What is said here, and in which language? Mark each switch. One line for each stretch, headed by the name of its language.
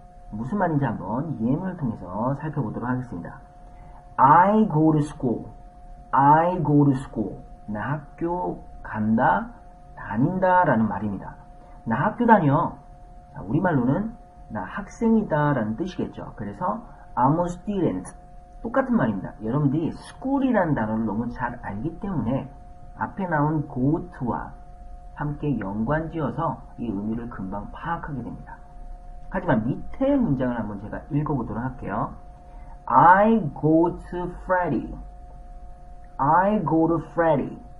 Korean: 무슨 말인지 한번 예문을 통해서 살펴보도록 하겠습니다.
English: I go to school. I go to school.
Korean: 나 학교 간다. 다닌다라는 말입니다. 나 학교 다녀. 자, 우리말로는 나 학생이다라는 뜻이겠죠. 그래서
English: I'm a student.
Korean: 똑같은 말입니다. 여러분들이 school이라는 단어를 너무 잘 알기 때문에 앞에 나온 go to와 함께 연관지어서 이 의미를 금방 파악하게 됩니다. 하지만 밑에 문장을 한번 제가 읽어보도록 할게요.
English: I go to Freddy. I go to Freddy.